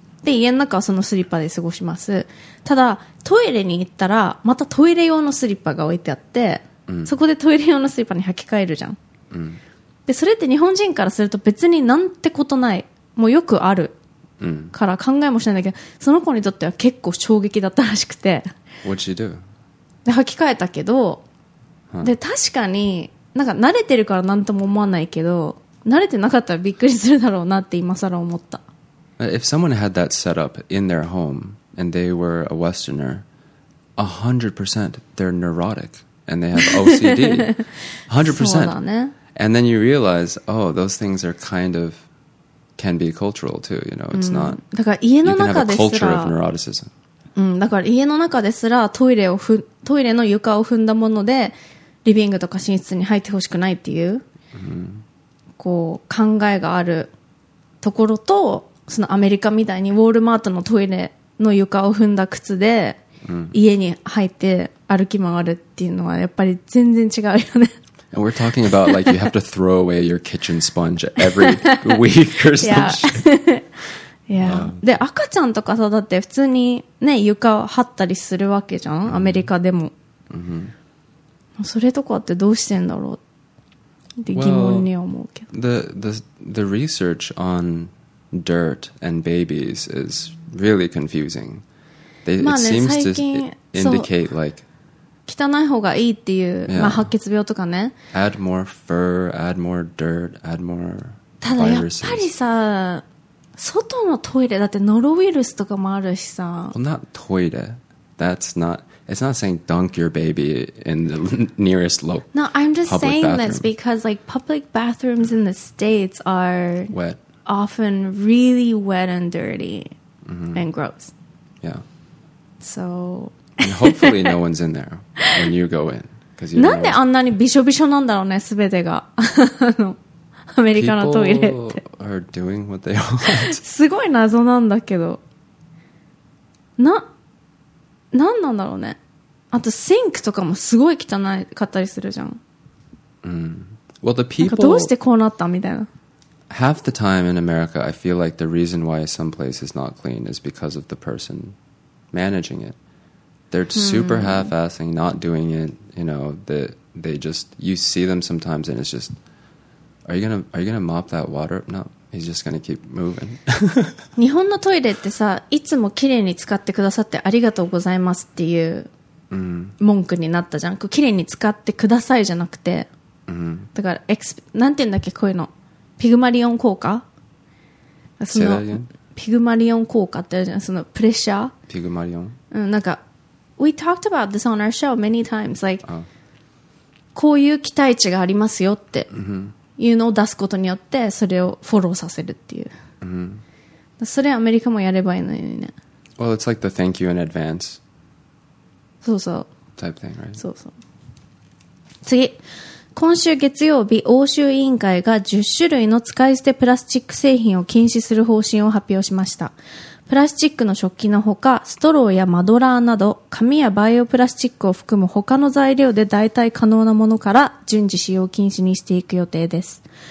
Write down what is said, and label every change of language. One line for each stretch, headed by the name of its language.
Japanese: で家の中はそのスリッパで過ごします。ただトイレに行ったらまたトイレ用のスリッパが置いてあって、そこでトイレ用のスリッパに履き替えるじゃん、でそれって日本人からすると別になんてことない、もうよくあるから考えもしないんだけど、その子にとっては結構衝撃だったらしくて、
English: What'd she do?
Japanese: で履き替えたけど、で確かになんか慣れてるから何とも思わないけど、慣れてなかったらびっくりするだろうなって今更思った。
English: If someone had that set up in their home and they were a westerner, 100% they're neurotic and they have OCD. 100%.
Japanese: そうだね。
English: And then you realize, oh, those things are kind ofcan be cultural too, you know, it's not.
Japanese: だから家の中ですら、
English: you can have a culture of neuroticism.
Japanese: だから家の中ですらトイレの床を踏んだものでリビングとか寝室に入ってほしくないっていう、こう考えがあるところと、そのアメリカみたいにウォールマートのトイレの床を踏んだ靴で家に入って歩き回るっていうのはやっぱり全然違うよね。
English: And we're talking about like you have to throw away your kitchen sponge every week or something.
Japanese: で赤ちゃんとかさ、だって普通にね床を張ったりするわけじゃん、アメリカでも。それとかってどうしてんだろうって疑問に思うけど。
English: The research on dirt and babies is really confusing. It seems to indicate like
Japanese: 汚い方がいいっていう、yeah. まあ、白血病とかね。
English: Add more fur, add more dirt, add more viruses.
Japanese: ただやっぱりさ、外のトイレだってノロウイルスとかもあるしさ。
English: Well, not トイレ。That's not. It's not saying dunk your baby in the nearest local. No, I'm just saying this because like public bathrooms in the States are wet. Often really wet and dirty、mm-hmm. and gross. Yeah. So. And hopefully no one's in there when you go in.
Japanese: なんであんなにびしょびしょなんだろうね、すべてが。アメリカのトイレって。
English: People are doing what they want.
Japanese: すごい謎なんだけど。なんなんだろうね。あと、シンクとかもすごい汚かったりするじゃん。
English: Well, the people...
Japanese: なんかどうしてこうなったみたいな。
English: Half the time in America, I feel like the reason why some place is not clean is because of the person managing it. They're super half-assing, not doing it. You know, they just... You see them sometimes and it's just... Are you gonna mop that water? No, he's just gonna keep moving.
Japanese: 日本のトイレってさ、いつも綺麗に使ってくださってありがとうございますっていう文句になったじゃん。綺麗に使ってくださいじゃなくて。だから、なんて言うんだっけ、こういうの。ピグマリオン効果そのピグマリオン効果ってあるじゃん。そのプレッシャーピグマリオン
English: うん、なんか、We talked about this on our show many times. Like,、oh.
Japanese: こういう期待値がありますよっていうのを出すことによってそれをフォローさせるっていう。 Mm-hmm. それアメリカもやればいいのにね。
English: Well, it's like the thank you in advance.
Japanese: そうそう。
English: Type thing, right?
Japanese: そうそう。次。今週月曜日、欧州委員会が10種類の使い捨てプラスチック製品を禁止する方針を発表しました。プラスチックの食器のほか、ストローやマドラーなど、紙やバイオプラスチックを含む他の材料で代替可能なものから順次使用禁止にしていく予定です。